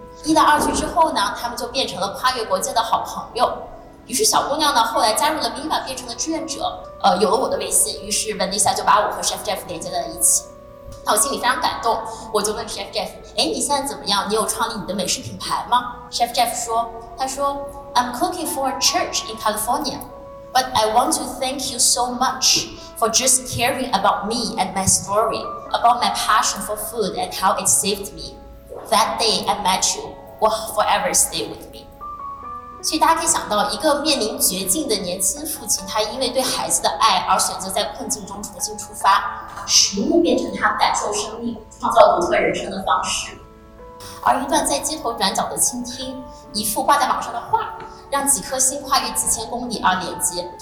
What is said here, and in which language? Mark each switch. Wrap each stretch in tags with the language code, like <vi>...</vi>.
<zh>一来二去之后呢，他们就变成了跨越国界的好朋友。于是小姑娘呢，后来加入了 Viva， 变成了志愿者，有了我的微信，于是 Vanessa 就把我和 Chef Jeff 连接在了一起。那我心里非常感动，我就问 Chef Jeff， 哎，你现在怎么样？你有创立你的美食品牌吗？</zh> <en>Chef Jeff</en> <zh>说，他说</zh> <en>I'm cooking for a church in California, but I want to thank you so much for just caring about me and my story, about my passion for food and how it saved me. That day I met you will forever stay with me.</en> <zh>所以大家可以想到，一个面临绝境的年轻父亲，他因为对孩子的爱而选择在困境中重新出发，食物变成他感受生命、创造独特人生的方式。而一段在街头转角的倾听，一幅挂在网上的画，让几颗心跨越几千公里而连接。</zh>